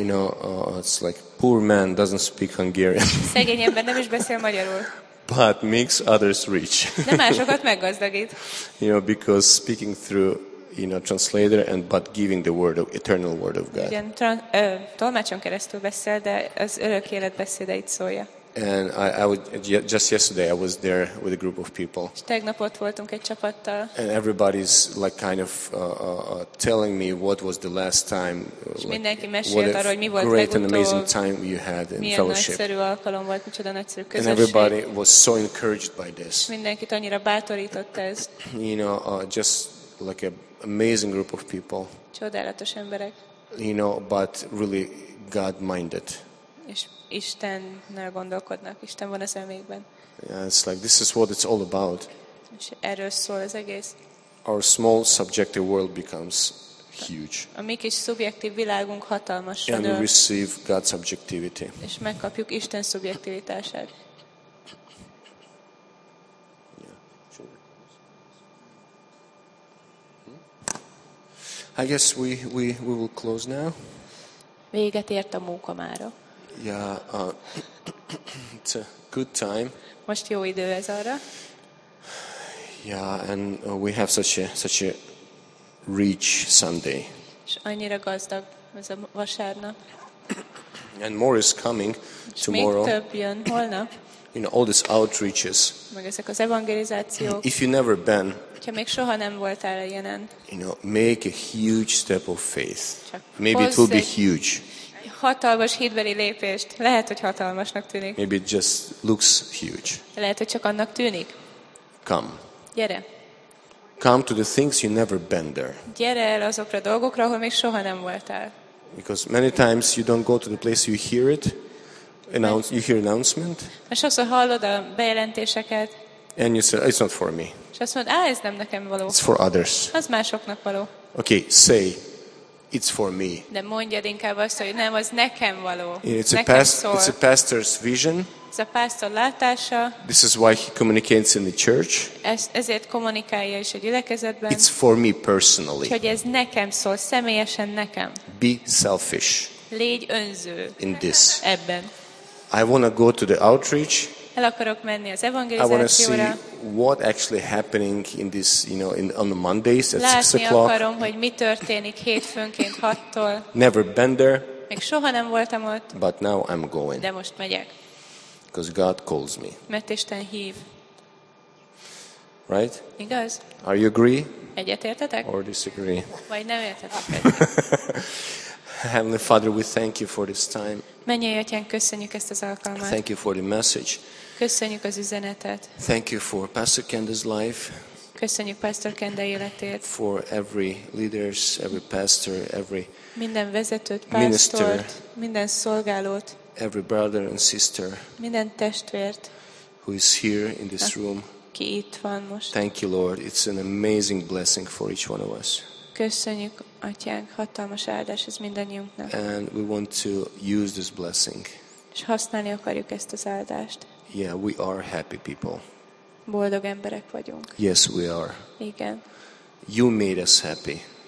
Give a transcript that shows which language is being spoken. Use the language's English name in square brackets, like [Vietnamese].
[English] You know, it's like poor man doesn't speak Hungarian. [Hungarian] Szegény ember nem is beszél magyarul. [English] But makes others rich. [Hungarian] De másokat meggazdagít. [English] You know, because speaking through, you know, translator and but giving the word of eternal word of God. [Hungarian] Igen, tolmácson keresztül beszél, de az örök élet beszédeit szólja. [English] And I would, just yesterday I was there with a group of people. [Hungarian] Tegnap ott voltunk egy csapattal. [English] And everybody's like kind of telling me what was the last time. [Hungarian] Mindenki mesélt arról, hogy mi volt [English] great and amazing time you had in fellowship. [Hungarian] Milyen nagyszerű alkalom volt, micsoda nagyszerű közösség. [English] And everybody was so encouraged by this. [Hungarian] Mindenkit annyira bátorított ez. [English] You know, just like a amazing group of people. [Hungarian] Csodálatos emberek. [English] You know, but really God-minded. [Hungarian] És Istennel gondolkodnak. Isten van a szemükben. [English] Yeah, it's like this is what it's all about. [Hungarian] És erről szól az egész. [English] Our small subjective world becomes huge. [Hungarian] A mi kis szubjektív világunk hatalmas. [English] And we receive God's objectivity. [Hungarian] És megkapjuk Isten szubjektivitását. [English] I guess we will close now. [Hungarian] Véget ért a móka mára. [English] Yeah, it's a good time. [Hungarian] Most jó idő ez arra. [English] Yeah, and we have such a rich Sunday. [Hungarian] És annyira gazdag ez a vasárnap. [English] And more is coming tomorrow. [Hungarian] Még több jön holnap. [English] You know, all these outreaches. [Hungarian] Meg ezek az evangelizációk. [English] If you never been. [Hungarian] Ha még soha nem voltál a jelen. [English] You know, make a huge step of faith. Maybe it will be huge. [Hungarian] Hatalmas hitbeli lépést. Lehet, hogy hatalmasnak tűnik. [English] Maybe it just looks huge. [Hungarian] Lehet, hogy csak annak tűnik. [English] Come. [Hungarian] Gyere. [English] Come to the things you never been there. [Hungarian] Gyere el azokra a dolgokra, ahol még soha nem voltál. [English] Because many times you don't go to the place you hear it. You hear announcement. [Hungarian] És sokszor hallod a bejelentéseket. [English] And you say, it's not for me. [Hungarian] És azt mondod, ez nem nekem való. [English] It's for others. [Hungarian] Az másoknak való. [English] Okay, say, it's for me. [Hungarian] De mondjad inkább azt, hogy nem, az nekem való. [English] It's [Hungarian] nekem [English] a pastor. It's a pastor's vision. [Hungarian] Ez a pastor látása. [English] This is why he communicates in the church. [Hungarian] Ezért kommunikálja is a gyülekezetben. [English] It's for me personally. [Hungarian] Hogy ez nekem szól, személyesen nekem. [English] Be selfish. [Hungarian] Légy önző. [English] In this. [Hungarian] Ebben. [English] I want to go to the outreach. [Hungarian] El akarok menni az evangelizációra. [English] I want to see what actually happening in this, you know, on the Mondays at 6 o'clock. [Hungarian] Látni akarom, hogy mi történik hétfőnként 6-tól. [English] Never been there. [Hungarian] Még soha nem voltam ott. [English] But now I'm going. [Hungarian] De most megyek. [English] Because God calls me. [Hungarian] Mert Isten hív. [English] Right? [Hungarian] Igaz? [English] Are you agree? [Hungarian] Egyetértetek? [English] Or disagree? [Hungarian] Vagy nem értetek? [English] Heavenly Father, we thank you for this time. [Hungarian] Mennyei Atyánk, köszönjük ezt az alkalmat. [English] Thank you for the message. [Hungarian] Köszönjük az üzenetet. [English] Thank you for Pastor Kenda's life. [Hungarian] Köszönjük Pastor Kenda életét. [English] For every leaders, every pastor, every [Hungarian] minden vezetőt, pásztort, minden szolgálót. [English] Every brother and sister. [Hungarian] Minden testvért. [English] Who is here in this room? [Hungarian] Ki itt van most? [English] Thank you, Lord. It's an amazing blessing for each one of us. [Hungarian] Köszönjük, Atyánk, hatalmas áldás ez mindannyiunknak. [English] And we want to use this blessing. [Hungarian] És használni akarjuk ezt az áldást. [English] Yeah, we are happy people. [Hungarian] Boldog emberek vagyunk. [English] Yes, we are. [Hungarian] Igen. [English] You made us happy.